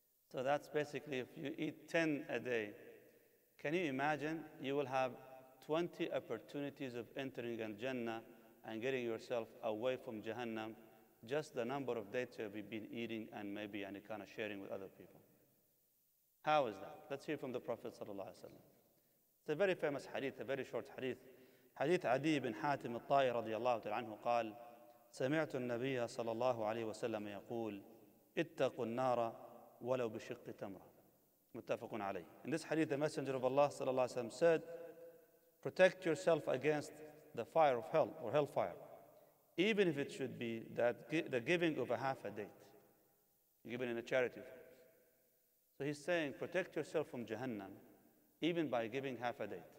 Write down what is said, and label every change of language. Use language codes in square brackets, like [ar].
[en] So that's basically, if you eat 10 a day, can you imagine you will have 20 opportunities of entering al-Jannah and getting yourself away from Jahannam, just the number of dates you've been eating and maybe any kind of sharing with other people. How is that? Let's hear from the Prophet sallallahu alaihi wasallam. It's a very famous hadith, a very short hadith. [ar] حديث عدي بن حاتم الطائي رضي الله تعالى عنه قال سمعت النبي صلى الله عليه وسلم يقول اتقوا النار ولو بشق تمرة. متفق عليه. [en] In this hadith, the Messenger of Allah صلى الله عليه وسلم said, protect yourself against the fire of hell or hellfire, even if it should be that the giving of a half a date, given in a charity. So he's saying, protect yourself from Jahannam, even by giving half a date.